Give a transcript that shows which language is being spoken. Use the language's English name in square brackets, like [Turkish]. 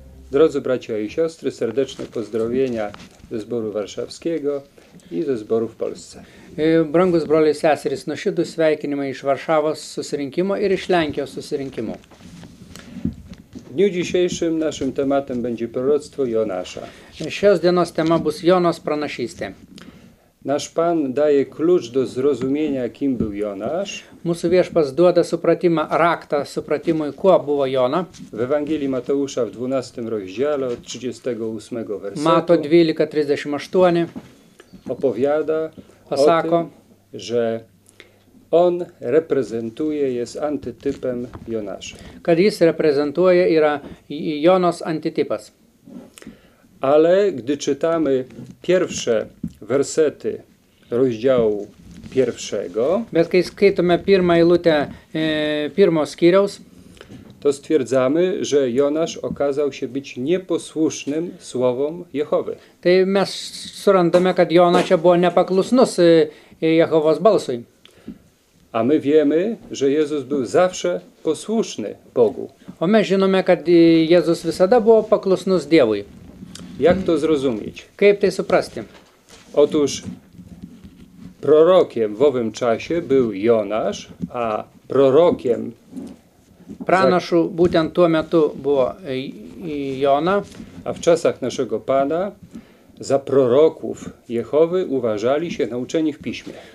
[Polish] Drodzy bracia i siostry, serdeczne pozdrowienia ze zboru warszawskiego i ze zboru w Polsce. [Lithuanian] Brangus broliai seserys, nuoširdūs sveikinimai iš Varšavos susirinkimo ir iš Lenkijos susirinkimo. [Polish] W dniu dzisiejszym naszym tematem będzie proroctwo Jonasza. [Lithuanian] Šios dienos tema bus Jonos pranašystė. [Polish] Nasz Pan daje klucz do zrozumienia, kim był Jonasz. [Lithuanian] Mūsų viešpas duoda supratimą, raktą supratimui, kuo buvo Jona. [Polish] W Ewangelii Mateusza w 12 rozdziale od 38 wersetu. [Lithuanian] Mato 12:38 [Polish] opowiada [Lithuanian] pasako, [Polish] o tym, że on reprezentuje, jest antytypem Jonasza. [Lithuanian] Kad jis reprezentuje, yra Jonos antytypas. [Polish] Ale gdy czytamy pierwsze wersety rozdziału pierwszego, [Lithuanian] bet kai skaitome pirmą eilutę pirmo skyriaus, [Polish] to stwierdzamy, że Jonasz okazał się być nieposłusznym słowom Jehowy. [Lithuanian] Tai mes surandame, kad Jona čia buvo nepaklusnus Jehovos balsui. [Polish] A my wiemy, że Jezus był zawsze posłuszny Bogu. [Lithuanian] O mes žinome, kad Jezus visada buvo paklusnus Dievui. [Polish] Jak to zrozumieć? [Lithuanian] Kaip tai suprasti? [Polish] Otóż prorokiem w owym czasie był Jonasz, a prorokiem [Lithuanian] pranašu būtent tuo metu buvo Jona. [Polish] A w czasach naszego Pana za proroków Jehowy uważali się nauczeni w piśmie.